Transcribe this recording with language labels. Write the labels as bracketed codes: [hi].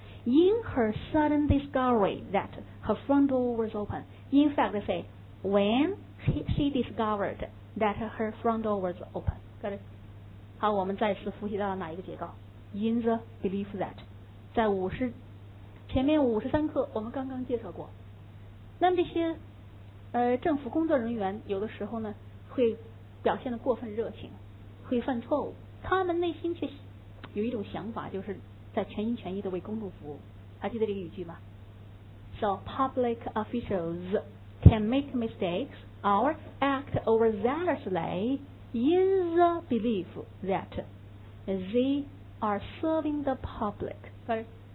[en] In her sudden discovery that her front door was open。 In fact say when she discovered that her front door was open。 Got it？ [zh] 好，我们再次复习到了哪一个结构？ [en] In the belief that， [zh] 在前面53课我们刚刚介绍过。那么这些政府工作人员有的时候呢会表现得过分热情，会犯错误，他们内心却有一种想法，就是在全心全意地为公众服务。还记得这个语句吗？ [en] So public officials can make mistakes or act overzealously in the belief that they are serving the public，